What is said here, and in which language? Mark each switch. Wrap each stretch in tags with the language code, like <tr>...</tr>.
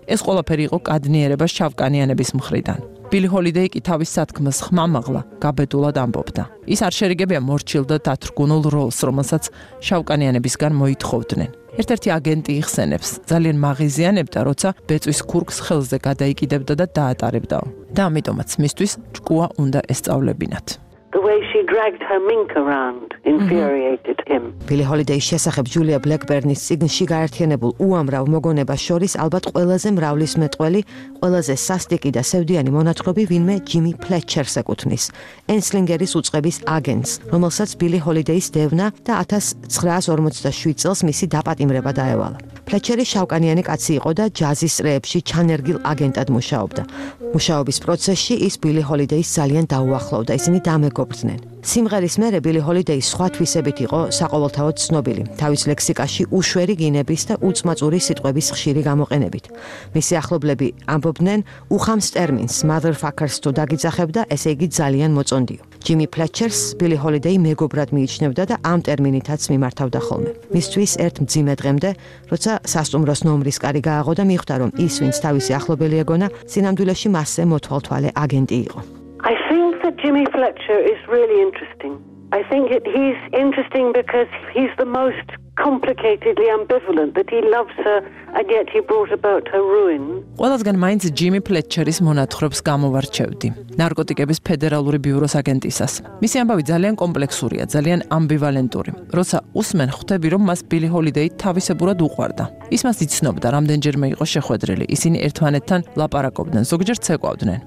<ka>ეს ყველაფერი იყო კადნიერება შავკანიანების მხრიდან. ბილი ჰოლიდეი კი თავის სათქმელს ხმამაღლა გაბედულად ამბობდა. ის არ შერიგებია მორჩილდა დათრგუნულ როლს, რომელსაც შავკანიანებისგან მოითხოვდნენ. ერთ-ერთი აგენტი იხსენებს, ძალიან მაღიზიანებდა, როცა ბეწვის ქურკს ხელზე გადაიკიდებდა და დაატარებდაო. და ამიტომაც მისთვის ჭკუა უნდა ესწავლებინათ.</ka> <en>She dragged her mink around, infuriated him.</en> <ka>ბილი ჰოლიდეის შესახებ ჯულია ბლეკბერნის წიგნში გაერთიანებულ უამრავ მოგონებას შორის ალბათ ყველაზე მრავლისმეტყველი, ყველაზე სასტიკი და სევდიანი მონათხრობი ვინმე ჯიმი ფლეტჩერს ეკუთვნის, ენსლინგერის უწყების აგენტს, რომელსაც ბილი ჰოლიდეის დევნა და 1947 წელს მისი დაპატიმრება დაევალა. ფლეტჩერი შავკანიანი კაცი იყო და ჯაზის რეებში ჩანერგილ აგენტად მუშაობდა. მუშაობის პროცესში ის ბილი ჰოლიდეის ძალიან დაუახლოვდა, ისინი დამეგობრდნენ. სიმღერის მერე ბილი ჰოლიდეი სხვა თვისებით იყო საყოველთაოდ ცნობილი, თავის ლექსიკაში უშვერი გინების და უწმაწური სიტყვების ხშირი გამოყენებით. მისი ახლობლები ამბობდნენ: უხამს ტერმინს motherfuckers თუ დაგიძახებდა, ესე იგი ძალიან მოწონდიო. ჯიმი ფლეტჩერს ბილი ჰოლიდეი მეგობრად მიიჩნევდა და ამ ტერმინითაც მიმართავდა ხოლმე. მისთვის ერთ მძიმე დღემდე, როცა სასტუმროს ნომრის კარი გააღო და მიხვდა, რომ ის, ვინც თავისი ახლობელი ეგონა, სინამდვილეში მასზე მოთვალთვალე აგენტი იყო.</ka> <en>I think that Jimmy Fletcher is really interesting. I think that he's interesting because he's the most complicatedly ambivalent, that he loves her and yet he brought about her ruin.</en> <ka>ყველას განმაინც ჯიმი ფლეტჩერის მონათხრობს გამოვარჩევდი. ნარკოტიკების ფედერალური ბიუროს აგენტისას. მისი ამბავი ძალიან კომპლექსურია, ძალიან ამბივალენტური. როცა უსმენ, ხვდები, რომ მას ბილი ჰოლიდეი თავისებურად უყვარდა. ის მას იცნობდა, რამდენჯერმე იყო შეხვედრილი. ისინი ერთმანეთთან ლაპარაკობდნენ, ზოგჯერ ცეკვავდნენ.</ka>